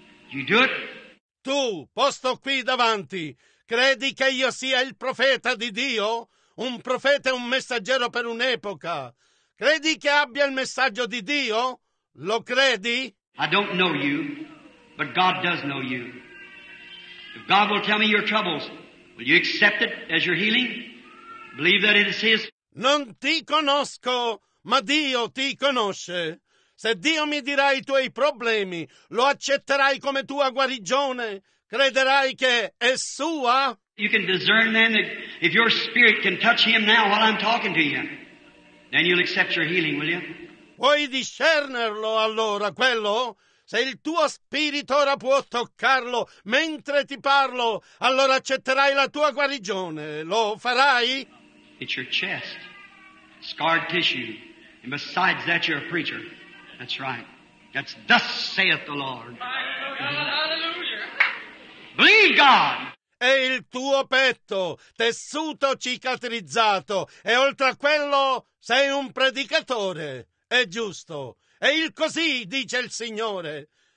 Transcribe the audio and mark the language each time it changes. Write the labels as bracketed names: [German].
[English] You do it. [Italian] Tu, posto qui davanti, credi che io sia il profeta di Dio? Un profeta è un messaggero per un'epoca. Credi che abbia il messaggio di Dio? Lo credi? [English] I don't know you, but God does know you. If God will tell me your troubles, will you accept it as your healing? Believe that it is His? [Italian] Non ti conosco. Ma Dio ti conosce. Se Dio mi dirà i tuoi problemi, lo accetterai come tua guarigione? Crederai che è sua? [English] You can discern then that if your spirit can touch him now while I'm talking to you, then you'll accept your healing, will you? [Italian] Puoi discernerlo allora, quello? Se il tuo spirito ora può toccarlo mentre ti parlo, allora accetterai la tua guarigione. Lo farai? [English] It's your chest. Scarred tissue. And besides that, you're a preacher. That's right. That's thus saith the Lord. Hallelujah. Believe God. [Italian] È il tuo petto, tessuto cicatrizzato. E oltre a quello, sei un predicatore. È giusto. È il così, dice il Signore.